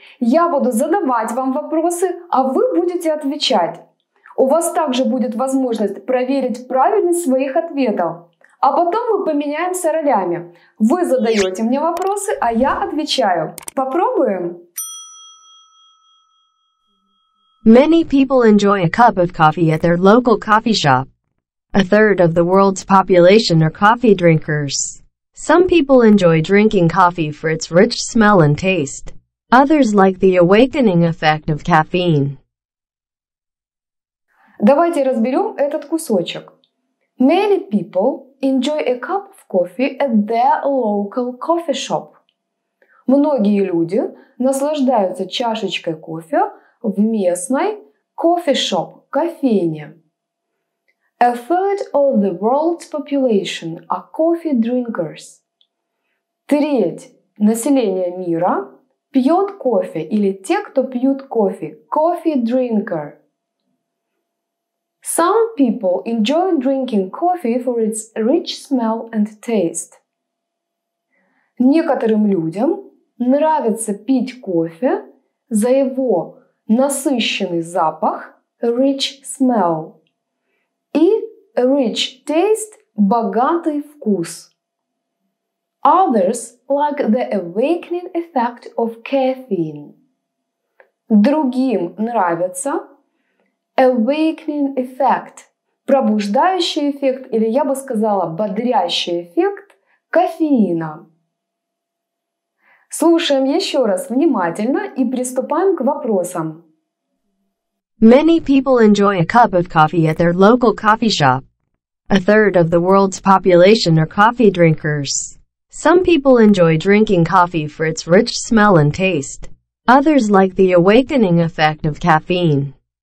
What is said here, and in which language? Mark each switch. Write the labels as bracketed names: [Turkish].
[Russian] Я буду задавать вам вопросы, а вы будете отвечать. У вас также будет возможность проверить правильность своих ответов. А потом мы поменяемся ролями. Вы задаете мне вопросы, а я отвечаю. Попробуем? [English] Many people enjoy a cup of coffee at their local coffee shop. A third of the world's population are coffee drinkers. Some people enjoy drinking coffee for its rich smell and taste. Others like the awakening effect of caffeine. [Russian] Давайте разберем этот кусочек. [English] Many people enjoy a cup of coffee at their local coffee shop. [Russian] Многие люди наслаждаются чашечкой кофе в местной кофешоп, кофейне. [English] A third of the world's population are coffee drinkers. [Russian] Треть населения мира пьет кофе, или те, кто пьют кофе, [English] coffee drinker. Some people enjoy drinking coffee for its rich smell and taste. [Russian] Некоторым людям нравится пить кофе за его насыщенный запах, [English] rich smell, [Russian] и [English] rich taste, [Russian] богатый вкус. [English] Others like the awakening effect of caffeine. [Russian] Другим нравится [English] awakening effect, [Russian] пробуждающий эффект, или я бы сказала бодрящий эффект кофеина. Слушаем еще раз внимательно и приступаем к вопросам. [English] Many people enjoy a cup of coffee at their local coffee shop. A third of the world's population are coffee drinkers. Some people enjoy drinking coffee for its rich smell and taste. Others like the awakening effect of caffeine.